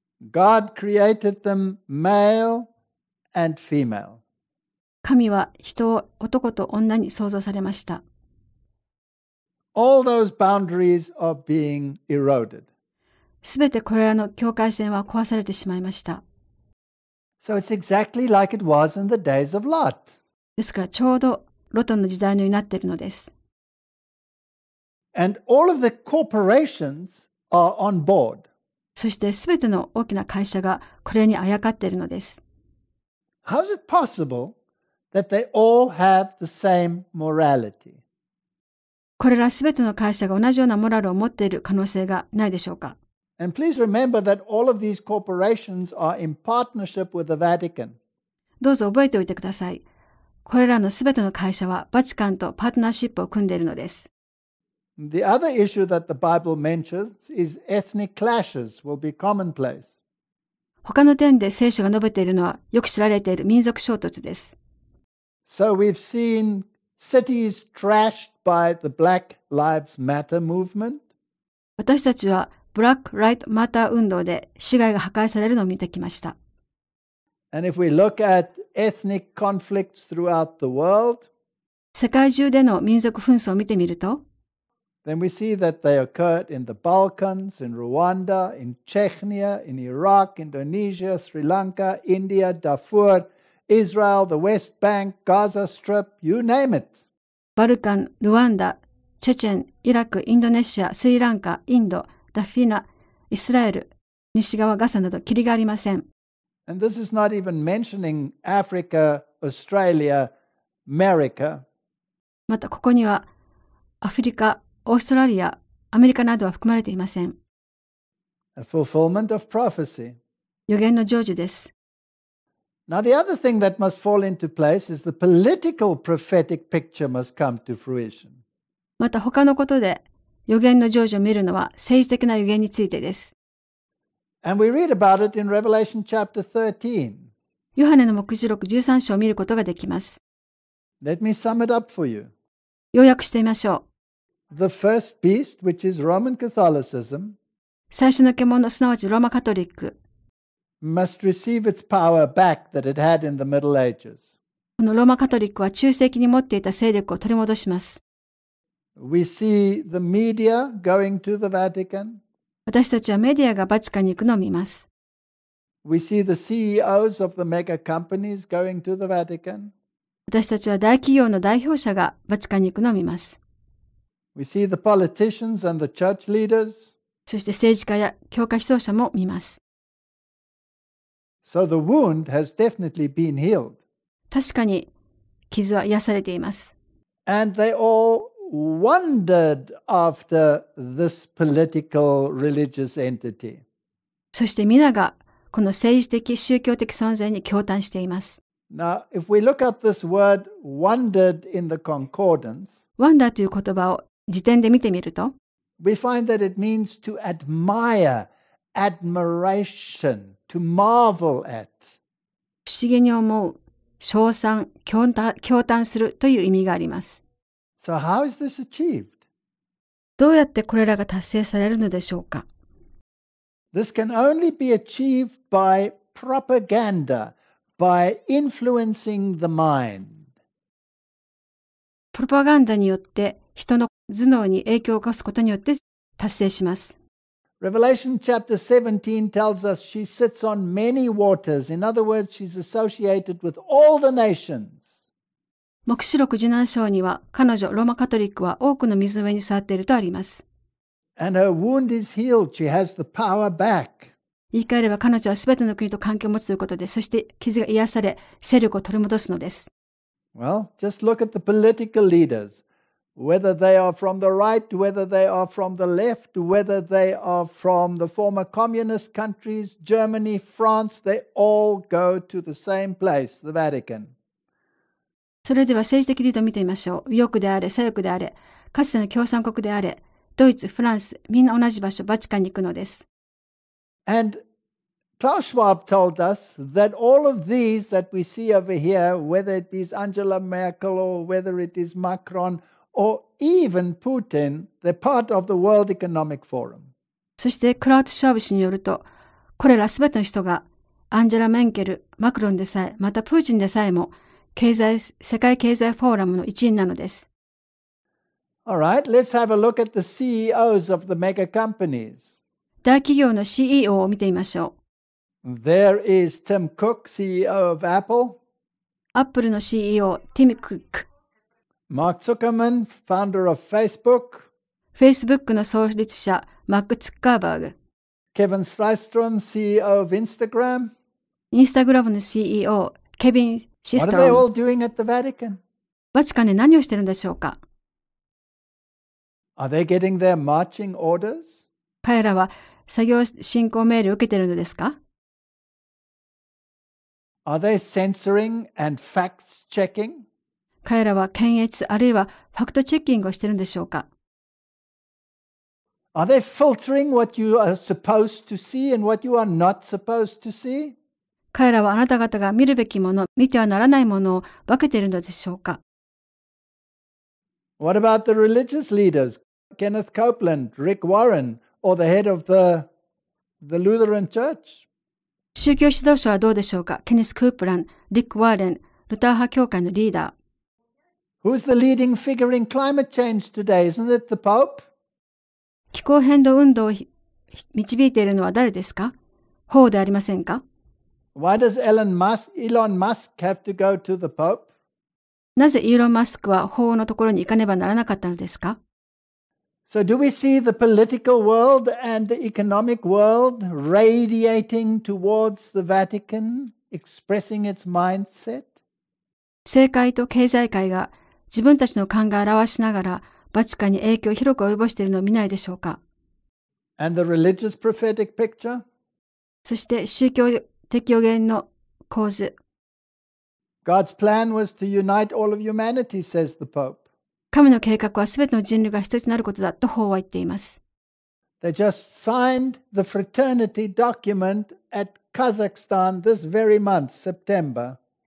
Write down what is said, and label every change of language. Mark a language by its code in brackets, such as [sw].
[en] God created them male and female. [ja] 神は人を男と女に創造されました。 [en] All those boundaries are being eroded. [ja] すべてこれらの境界線は壊されてしまいました。 [en] So it's exactly like it was in the days of Lot. [ja] ですからちょうどロトの時代のようになっているのです。 [en] And all of the corporations are on board. [ja] そして全ての大きな会社がこれにあやかっているのです。 [en] How is it possible that they all have the same morality? [ja] これら全ての会社が同じようなモラルを持っている可能性がないでしょうか? [en] And please remember that all of these corporations are in partnership with the Vatican. [ja] どうぞ覚えておいてください。これらの全ての会社はバチカンとパートナーシップを組んでいるのです。 [en] The other issue that the Bible mentions is ethnic clashes will be commonplace. [ja] 他の点で聖書が述べているのはよく知られている民族衝突です。 [en] So we've seen cities trashed by the Black Lives Matter movement. [ja] 私たちは Black Lives Matter 運動で市街が破壊されるのを見てきました。 [en] And if we look at ethnic conflicts throughout the world, [ja] 世界中での民族紛争を見てみると、 [en] then we see that they occurred in the Balkans, in Rwanda, in Chechnya, in Iraq, Indonesia, Sri Lanka, India, Darfur, Israel, the West Bank, Gaza Strip, you name it. [ja] Balkan, Rwanda, Chechen, Iraq, Indonesia, Sri Lanka, Indo, Darfur, Israel, 西側ガサなどキリがありません。 [en] And this is not even mentioning Africa, Australia, America. [ja] またここにはアフリカ、オーストラリア、アメリカなどは含まれていません。 [en] A fulfillment of prophecy. [ja] 予言の成就です。 [en] Now the other thing that must fall into place is the political prophetic picture must come to fruition. [ja] また他のことで予言の成就を見るのは政治的な予言についてです。 [en] And we read about it in Revelation chapter 13. [ja] ヨハネの黙示録13章を見ることができます。 [en] Let me sum it up for you. [ja] 要約してみましょう。 [en] The first beast, which is Roman Catholicism, [ja] 最初の獣、すなわちローマカトリック、 [en] must receive its power back that it had in the Middle Ages. [ja] このローマカトリックは中世紀に持っていた勢力を取り戻します。 [en] We see the media going to the Vatican. [ja] 私たちはメディアがバチカンに行くのを見ます。 [en] We see the CEOs of the mega companies going to the Vatican. [ja] 私たちは大企業の代表者がバチカンに行くのを見ます。 [en] We see the politicians and the church leaders. [ja] そして政治家や教会指導者も見ます。 [en] So the wound has definitely been healed. [ja] 確かに傷は癒されています。 [en] And they allWondered after this political religious entity. [ja] そして皆がこの政治的宗教的存在に驚嘆しています。 [en] Now, if we look up this word wondered in the concordance, [ja] wonder という言葉を辞典で見てみると、 [en] we find that it means to admire, admiration, to marvel at. [ja] 不思議に思う、称賛、驚嘆するという意味があります。 [en] So how is this achieved? [ja] どうやってこれらが達成されるのでしょうか? [en] This can only be achieved by propaganda, by influencing the mind. [ja] プロパガンダによって人の頭脳に影響を起こすことによって達成します。 [en] Revelation chapter 17 tells us she sits on many waters. In other words, she's associated with all the nations. [ja] 黙示録十七章には、彼女、ローマカトリックは多くの水の上に座っているとあります。 [en] And her wound is healed. She has the power back. [ja] 言い換えれば、彼女はすべての国と関係を持つということで、そして傷が癒され、勢力を取り戻すのです。 [en] Well, just look at the political leaders. Whether they are from the right, whether they are from the left, whether they are from the former communist countries, Germany, France, they all go to the same place, the Vatican. [ja] それでは政治的リードを見てみましょう。右翼であれ、左翼であれ、かつての共産国であれ、ドイツ、フランス、みんな同じ場所、バチカンに行くのです。 [en] And Klaus Schwab told us that all of these that we see over here, whether it is Angela Merkel or whether it is Macron or even Putin, they're part of the World Economic Forum. [ja] そしてクラウト・シュワブ氏によると、これらすべての人が、アンジェラ・メンケル、マクロンでさえ、またプーチンでさえも、世界経済フォーラムの一員なのです。 [en] All right, let's have a look at the CEOs of the mega companies. [ja] 大企業の CEO を見てみましょう。 [en] There is Tim Cook, CEO of Apple. [ja] Apple の CEO, Tim Cook. [en] Mark Zuckerman, founder of Facebook. [ja] Facebook の創立者、マーク・ツッカーバーグ。 [en] Kevin Systrom, CEO of Instagram. [ja] Instagram の CEO、ケビン・シストロム。バチカンで何をしているんでしょうか? [en] Are they getting their marching orders? [ja] 彼らは作業進行命令を受けているのですか? [en] Are they censoring and facts checking? [ja] 彼らは検閲あるいはファクトチェッキングをしているんでしょうか? [en] Are they filtering what you are supposed to see and what you are not supposed to see? [ja] 彼らはあなた方が見るべきもの、見てはならないものを分けているのでしょうか? [en] What about the religious leaders? Kenneth Copeland, Rick Warren, or the head of the Lutheran Church? [ja] 宗教指導者はどうでしょうか?ケネス・クープラン、リック・ワーレン、ルター派教会のリーダー。 [en] Who's the leading figure in climate change today? Isn't it the Pope? [ja] 気候変動運動を導いているのは誰ですか？法でありませんか？ [en] Why does Elon Musk have to go to the Pope? [ja] なぜイーロン・マスクは法のところに行かねばならなかったのですか？ [en] So do we see the political world and the economic world radiating towards the Vatican, expressing its mindset? [ja] 政界と経済界が自分たちの考えを表しながら、バチカンに影響を広く及ぼしているのを見ないでしょうか。 [en] And the religious prophetic picture? [ja] そして宗教的予言の構図。 [en] God's plan was to unite all of humanity, says the Pope. [ja] 神の計画はすべての人類が一つになることだと法は言っています。 [en] They just signed the fraternity document at Kazakhstan this very month, September.